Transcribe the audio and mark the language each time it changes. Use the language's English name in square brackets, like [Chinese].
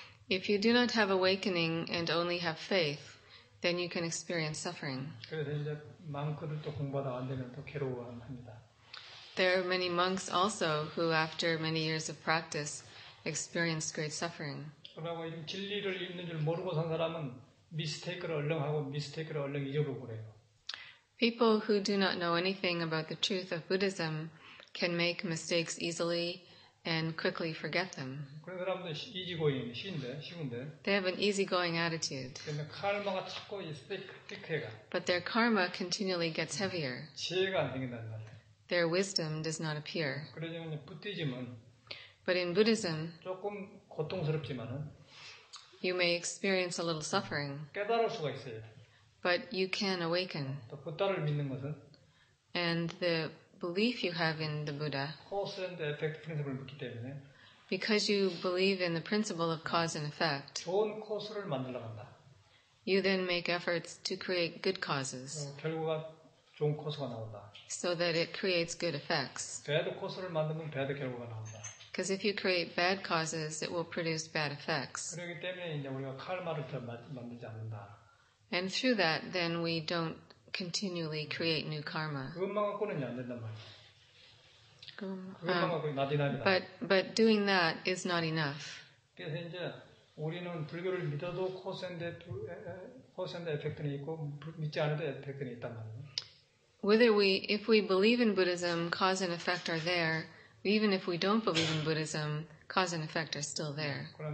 [English] If you do not have awakening and only have faith, then you can experience suffering. [Korean] 그래서 이제 망크들 또 공부하다 안 되면 또 괴로워합니다. [English] There are many monks also who, after many years of practice, experience great suffering. [Korean] 그러고 이 진리를 있는 줄 모르고 산 사람은 미스테이크를 얼른 하고 미스테이크를 얼른 잊어버리고 그래요. [English] People who do not know anything about the truth of Buddhism can make mistakes easily and quickly forget them. [Korean] 그런 사람들은 easygoing, 쉬운데. [English] They have an easygoing attitude. [Korean] 그러면 카르마가 자꾸 스테이크해가. [English] But their karma continually gets heavier. [Korean] 지혜가 안 생긴다는 말이야. [English] Their wisdom does not appear. [Korean] 그러지만 부디즘은 [English] But in Buddhism, [Korean] 조금 고통스럽지만은 [English] You may experience a little suffering. [Korean] 깨달을 수가 있어요. [English] But you can awaken. [Korean] 또 부다를 믿는 것은 [English] And the belief you have in the Buddha cause and effect principle [Korean] 믿기 때문에 [English] Because you believe in the principle of cause and effect [Korean] 좋은 코스를 만들려고 한다. [English] You then make efforts to create good causes. [Korean] 결과가 좋은 코스가 나온다. [English] So that it creates good effects. [Korean] Bad 코스를 만들면 bad 결과가 나온다. [English] Because if you create bad causes, it will produce bad effects. [Korean] 그렇기 때문에 이제 우리가 카르마를 더 만들지 않는다. [English] And through that, then we don't continually create new karma. [Korean] 그것만 갖고는 안 된단 말이야. [English] But doing that is not enough. [Korean] 그래서 이제 우리는 불교를 믿어도 코스앤드 에펙트는 있고 믿지 않아도 에펙트는 있단 말이야. [English] Whether we, if we believe in Buddhism, cause and effect are there. Even if we don't believe in Buddhism, cause and effect are still there.